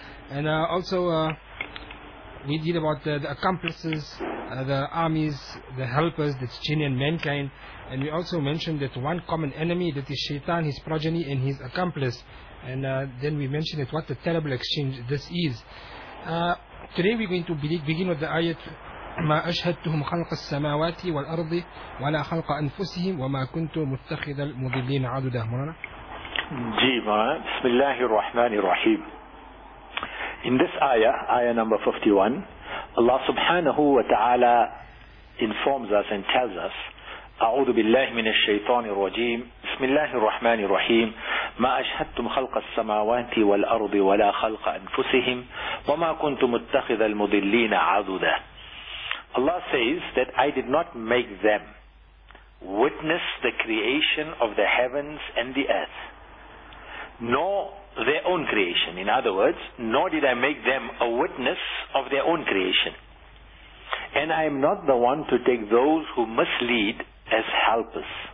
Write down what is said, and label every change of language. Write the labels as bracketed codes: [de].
[en] And also we did about the accomplices, the armies, the helpers, that's jinn and mankind. And we also mentioned that one common enemy, that is Shaitan, his progeny and his accomplice. And then we mentioned that what a terrible exchange this is. Today we're going to begin with the ayat [ar] مَا أَشْهَدْتُهُمْ خَلْقَ السَّمَاوَاتِ وَالْأَرْضِ وَلَا خَلْقَ أَنفُسِهِمْ وَمَا كُنْتُ مُتَّخِذَ الْمُضِلِّينَ عَدُدًا. مُنَنَا جِيمَا بِسْمِ اللَّهِ الرَّحْمَنِ الرَّحِيمِ. [en] In this ayah, ayah number 51, Allah subhanahu wa ta'ala informs us and tells us, [ar] أعوذ بالله من الشيطان الرجيم بسم الله الرحمن الرحيم ما أشهدتم خلق السماوات والأرض ولا خلق أنفسهم وما كنت متخذ المضلين عضدا. [en] Allah says that I did not make them witness the creation of the heavens and the earth, nor their own creation. In other words, nor did I make them a witness of their own creation. And I am not the one to take those who mislead as helpers.